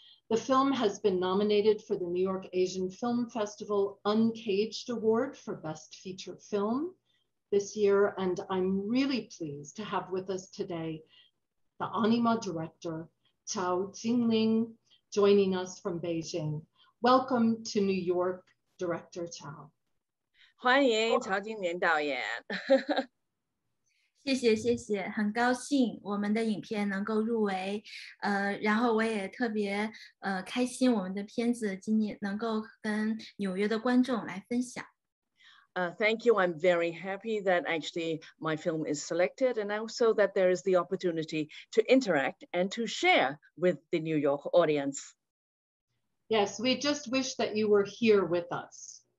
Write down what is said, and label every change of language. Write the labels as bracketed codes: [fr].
[en] The film has been nominated for the New York Asian Film Festival Uncaged Award for Best Feature Film this year, and I'm really pleased to have with us today the Anima director, Cao Jinling, joining us from Beijing. Welcome to New York, Director Cao. [zh] 欢迎曹金莲导演。谢谢谢谢，很高兴我们的影片能够入围，然后我也特别开心我们的片子今年能够跟纽约的观众来分享。 [en] Thank you. I'm very happy that actually my film is selected and also that there is the opportunity to interact and to share with the New York audience. Yes, we just wish that you were here with us.